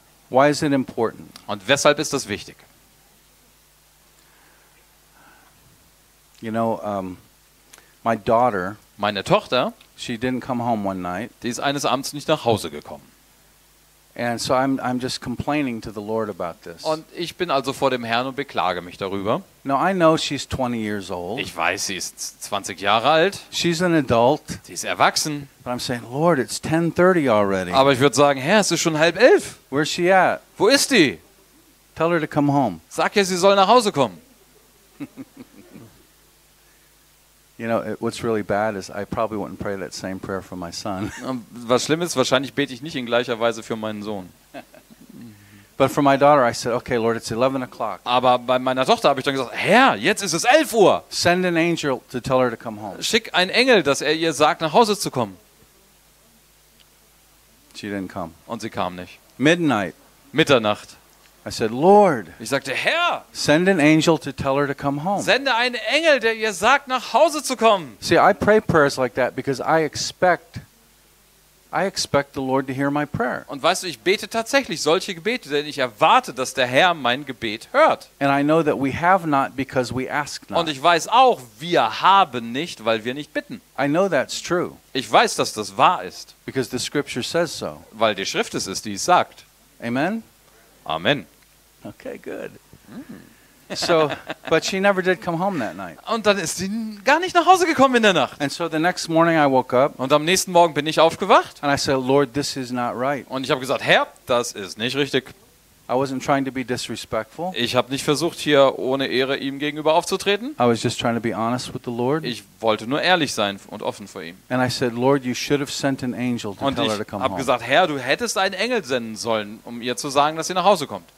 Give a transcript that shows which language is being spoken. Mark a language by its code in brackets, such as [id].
[en] Why is it important? [de] Und weshalb ist das wichtig? [en] You know, my daughter. [de] Meine Tochter. [en] She didn't come home one night. [de] Die ist eines Abends nicht nach Hause gekommen. [en] And so I'm just complaining to the Lord about this. [de] Und ich bin also vor dem Herrn und beklage mich darüber. [en] Now I know she's 20 years old. [de] Ich weiß, sie ist 20 Jahre alt. [en] She's an adult. [de] Sie ist erwachsen. [en] But I'm saying, Lord, it's 10:30 already. [de] Aber ich würde sagen, Herr, es ist schon 10:30. [en] Where's she at? [de] Wo ist die? [en] Tell her to come home. [de] Sag ihr, sie soll nach Hause kommen. [en] You know, what's really bad is I probably wouldn't pray that same prayer for my son. [de] Was schlimm ist, wahrscheinlich bete ich nicht in gleicher Weise für meinen Sohn. [en] But for my daughter, I said, okay, Lord, it's 11 o'clock. [de] Aber bei meiner Tochter habe ich dann gesagt, Herr, jetzt ist es 11 Uhr. [en] Send an angel to tell her to come home. [de] Schick einen Engel, dass er ihr sagt, nach Hause zu kommen. [en] She didn't come. [de] Und sie kam nicht. [en] Midnight. [de] Mitternacht. [en] I said, Lord. [de] Ich sagte, Herr. [en] Send an angel to tell her to come home. [de] Sende einen Engel, der ihr sagt, nach Hause zu kommen. [en] See, I pray prayers like that because I expect the Lord to hear my prayer. [de] Und weißt du, ich bete tatsächlich solche Gebete, denn ich erwarte, dass der Herr mein Gebet hört. [en] And I know that we have not because we ask not. [de] Und ich weiß auch, wir haben nicht, weil wir nicht bitten. [en] I know that's true. [de] Ich weiß, dass das wahr ist. [en] Because the scripture says so. [de] Weil die Schrift es ist, die es sagt. [en] Amen. [de] Amen. [en] Okay, good. So, but she never did come home that night. [de] Und dann ist sie gar nicht nach Hause gekommen in der Nacht. [en] And so the next morning I woke up. [de] Und am nächsten Morgen bin ich aufgewacht. [en] And I said, Lord, this is not right. [de] Und ich habe gesagt, Herr, das ist nicht richtig. [en] I wasn't trying to be disrespectful. [de] Ich habe nicht versucht, hier ohne Ehre ihm gegenüber aufzutreten. [en] I was just trying to be honest with the Lord. [de] Ich wollte nur ehrlich sein und offen vor ihm. [en] And I said, Lord, you should have sent an angel to tell her to come home. [de] Habe gesagt, Herr, du hättest einen Engel senden sollen, um ihr zu sagen, dass sie nach Hause kommt.